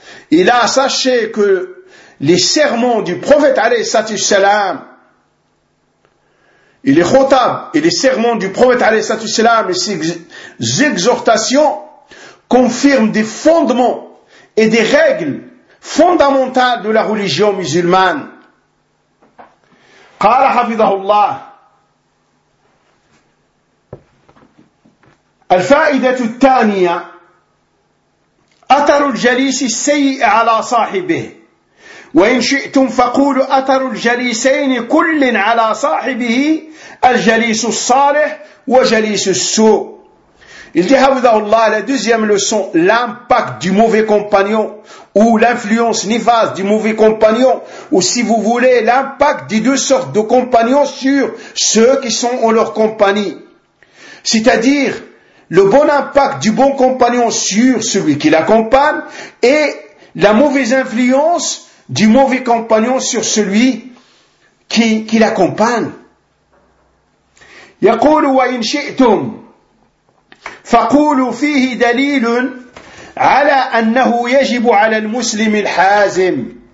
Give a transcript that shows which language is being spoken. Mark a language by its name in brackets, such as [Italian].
[French] Et là, sachez que les sermons du prophète, alayhi salam, et les khotab, et les sermons du prophète, alayhi salam, et ses exhortations, confirment des fondements et des règles fondamentales de la religion musulmane. [Arabic] Qala Habibullah, الفائدة الثانية أثر الجليس السيء على صاحبه وإن شئتم فقولوا أثر الجليسين كل على صاحبه الجليس الصالح وجليس السوء. [French] Il dit, Habidahullah, la deuxième leçon, l'impact du mauvais compagnon ou l'influence néfaste du mauvais compagnon ou si vous voulez l'impact des deux sortes de compagnons sur ceux qui sont en leur compagnie, c'est-à-dire le bon impact du bon compagnon sur celui qui l'accompagne et la mauvaise influence du mauvais compagnon sur celui qui l'accompagne. [Arabic] يقول وإن شئتم فقولوا فيه دليل على أنه يجب على المسلم الحازم.